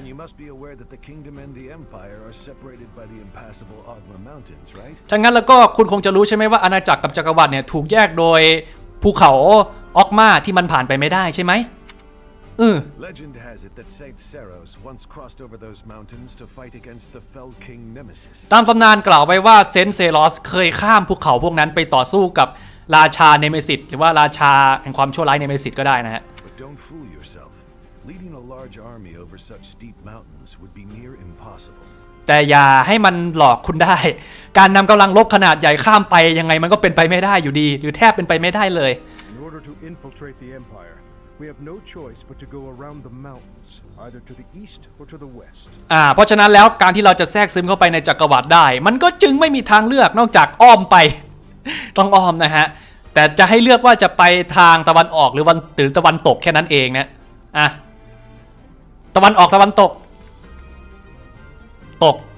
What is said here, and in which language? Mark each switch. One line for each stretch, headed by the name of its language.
English: you must be aware that the kingdom and the empire are separated by the impassable Ogma mountains right
Thai: ถ้างั้นแล้วก็คุณคงจะรู้ใช่มั้ยว่าอาณาจักรกับจักรวรรดิเนี่ยถูกแยกโดยภูเขาออกมาที่มันผ่านไปไม่ได้ใช่ไหม
English: Legend has it that Saint Seros once crossed over those mountains to fight against the Fell King Nemesis.
Thai: ตามตำนานกล่าวไว้ว่าเซนเซรอสเคยข้ามภูเขาพวกนั้นไปต่อสู้กับราชาเนเมซิสหรือว่าราชาแห่งความชั่วร้ายเนเมซิสก็ได้นะฮะ
English: But don't fool yourself. Leading a large army over such steep mountains would be near impossible.
Thai: แต่อย่าให้มันหลอกคุณได้การนำกำลังรบขนาดใหญ่ข้ามไปยังไงมันก็เป็นไปไม่ได้อยู่ดีหรือแทบเป็นไปไม่ได้เลย
English: In order to infiltrate the empire, We have no choice but to go around the mountains, either to the east or to the west.
Thai: เพราะฉะนั้นแล้วการที่เราจะแทรกซึมเข้าไปในจักรวรรดิได้มันก็จึงไม่มีทางเลือกนอกจากอ้อมไปต้องอ้อมนะฮะแต่จะให้เลือกว่าจะไปทางตะวันออกหรือวันตื่นตะวันตกแค่นั้นเองนะตะวันออกตะวันตกตก